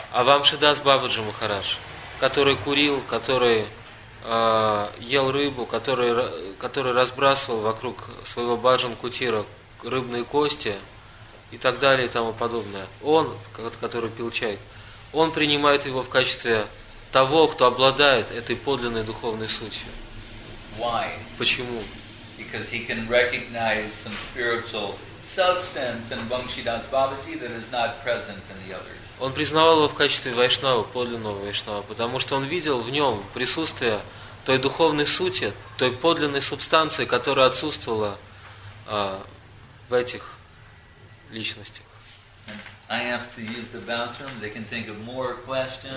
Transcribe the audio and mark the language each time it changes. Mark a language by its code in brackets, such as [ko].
[ru] А Бхактивинода Бабаджи Махарадж, который курил, который ел рыбу, который разбрасывал вокруг своего баджан кутира рыбные кости и так далее и тому подобное. Он, который пил чай, он принимает его в качестве того, кто обладает этой подлинной духовной сутью. [en] Why? [ru] Почему? [en] Because he can recognize some spiritual substance in Bhaktivinoda Babaji that is not present in the others. [ru] Он признавал его в качестве вайшнава, подлинного вайшнава, потому что он видел в нем присутствие той духовной сути, той подлинной субстанции, которая отсутствовала в этих личностях. [en] I have to use the bathroom. They can think of more questions.